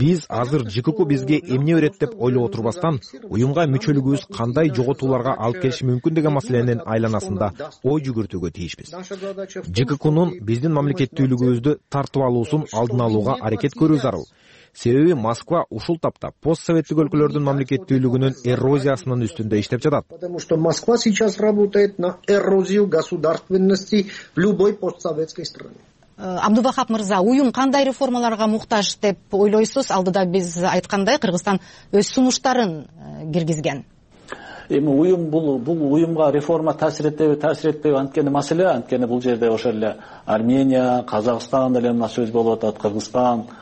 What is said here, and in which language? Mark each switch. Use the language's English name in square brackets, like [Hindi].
[Kyrgyz] Биз азыр ЖКК-у бизге эмне берет деп ойлоп отурбастан, уюмга мүчөлүгүбүз кандай жоготууларга алып келиши мүмкүн деген маселенин айланасында ой жүгүртүүгө тийишпиз. ЖКК-нун биздин мамлекеттүүлүгүбүздү тартып алуусун алдын алууга аракет көрүү зарыл. Себеби Москва ушул тапта постсоветтик өлкөлөрдүн мамлекеттүүлүгүнүн эрозиясынын үстүндө иштеп жатат. [Russian] Потому что Москва сейчас работает на эрозию государственности любой постсоветской страны. [Kyrgyz] Абдувахап Мырза, уюм кандай реформаларга муктаж деп ойлойсуз? Алдыда биз айткандай, Кыргызстан өз сунуштарын киргизген. Эми уюм бул уюмга реформа таасир этеби, таасир этпейби анткени маселе, анткени бул жерде ошол эле Армения, Казакстан деле мына сөз болуп атат, Кыргызстан.